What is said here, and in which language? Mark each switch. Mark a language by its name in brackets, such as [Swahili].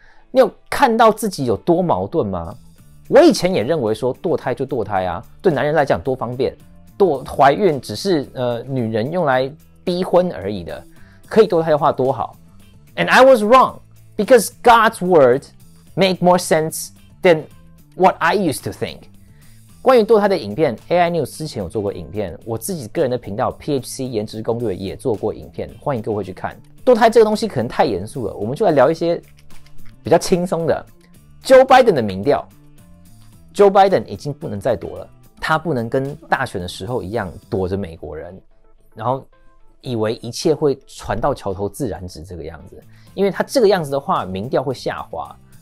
[Chinese] 你有看到自己有多矛盾吗？我以前也认为说堕胎就堕胎啊，对男人来讲多方便，堕怀孕只是女人用来逼婚而已的，可以堕胎的话多好。 [English] And I was wrong, because God's word make more sense than what I used to think. [Chinese] 关于堕胎的影片 ,AI News 之前有做过影片，我自己个人的频道 PHC 颜值攻略也做过影片，欢迎各位去看。堕胎这个东西可能太严肃了，我们就来聊一些比较轻松的。 Joe Biden 的民调 ，Joe Biden 已经不能再躲了，他不能跟大选的时候一样躲着美国人，然后以为一切会船到桥头自然直这个样子，因为他这个样子的话，民调会下滑。